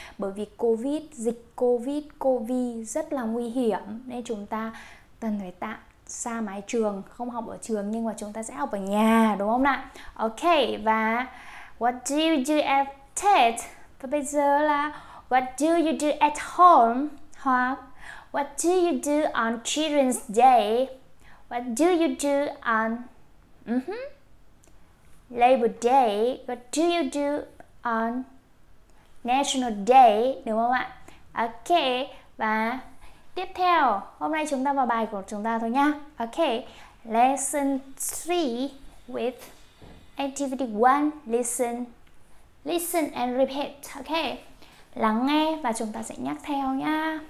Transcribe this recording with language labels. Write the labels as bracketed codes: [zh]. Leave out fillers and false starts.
[vi] Bởi vì Covid, dịch Covid, Covid rất là nguy hiểm nên chúng ta cần phải tạm xa mái trường, không học ở trường nhưng mà chúng ta sẽ học ở nhà, đúng không nào? [en] Ok, và what do you do at Tết? Và bây giờ là what do you do at home? Hoặc what do you do on Children's Day? What do you do on Labor Day? What do you do on National Day? Đúng không ạ? [vi] Ok, và tiếp theo, hôm nay chúng ta vào bài của chúng ta thôi nha. [en] Ok, Lesson 3 with Activity 1, listen and repeat, ok? [vi] Lắng nghe và chúng ta sẽ nhắc theo nha.